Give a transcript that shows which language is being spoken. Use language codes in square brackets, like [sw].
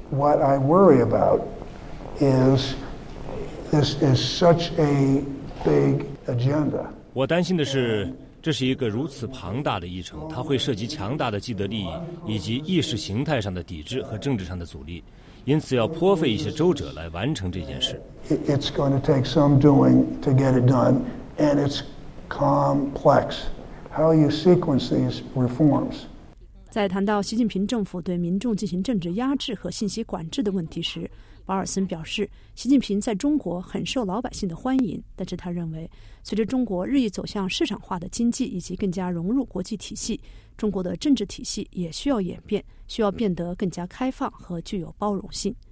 [en] What I worry about is... This is such a big agenda. [zh] 我担心的是，这是一个如此庞大的议程，它会涉及强大的既得利益以及意识形态上的抵制和政治上的阻力，因此要颇费一些周折来完成这件事。 [en] It's going to take some doing to get it done, and it's complex. how you sequence these reforms. [zh] 在谈到习近平政府对民众进行政治压制和信息管制的问题时，保尔森表示，习近平在中国很受老百姓的欢迎，但是他认为，随着中国日益走向市场化的经济以及更加融入国际体系，中国的政治体系也需要演变，需要变得更加开放和具有包容性。